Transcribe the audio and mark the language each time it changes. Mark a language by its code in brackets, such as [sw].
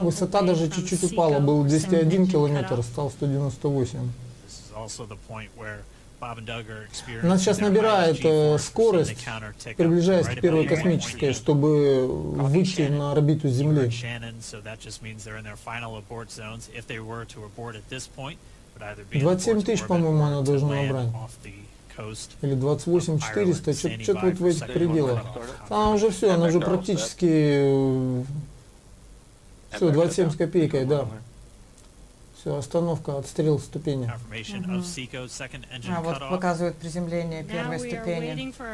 [ru] Высота даже чуть-чуть упала, был 201 километр, стал 198. [en] Also the point where Bob and Doug are experiencing. [ru] У нас сейчас набирает скорость, приближаясь к первой космической, чтобы выйти на орбиту Земли. [en] Shannon, so that just means they're in their final abort zones. If they were to abort at this point, would either be [ru] 27 тысяч, по-моему, она должна набрать. Или 28 400, что-то вот в этих пределах. Там уже все, она уже практически все 27 с копейкой, да. Все, остановка, отстрел ступени. А вот показывают приземление первой ступени.